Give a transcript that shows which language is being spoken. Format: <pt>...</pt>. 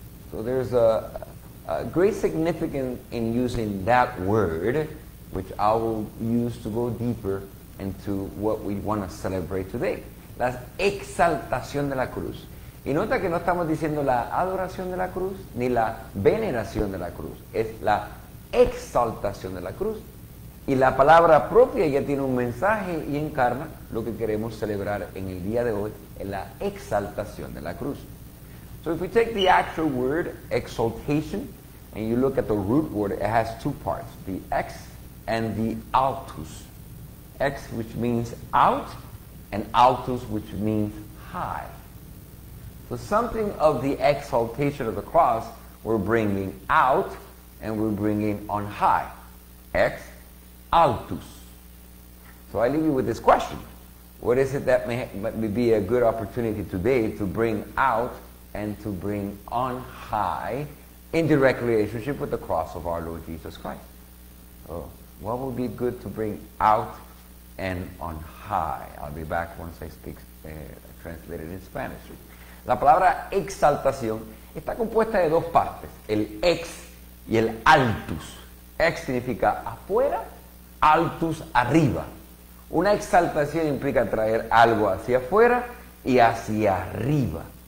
<en>So there's a great significance in using that word, which I will use to go deeper into what we want to celebrate today.</en> <es>La exaltación de la cruz. Y nota que no estamos diciendo la adoración de la cruz ni la veneración de la cruz. Es la exaltación de la cruz. Y la palabra propia ya tiene un mensaje y encarna lo que queremos celebrar en el día de hoy, en la exaltación de la cruz.</es> <en>So if we take the actual word exaltation and you look at the root word, it has two parts, the ex and the altus. Ex, which means out, and altus, which means high. So something of the exaltation of the cross, we're bringing out and we're bringing on high. Ex altus. So I leave you with this question. What is it that may be a good opportunity today to bring out and to bring on high in direct relationship with the cross of our Lord Jesus Christ? So what would be good to bring out and on high? I'll be back once I speak translated in Spanish.</en> <es>La palabra exaltación está compuesta de dos partes, el ex y el altus. Ex significa afuera, altus arriba. Una exaltación implica traer algo hacia afuera y hacia arriba.</es>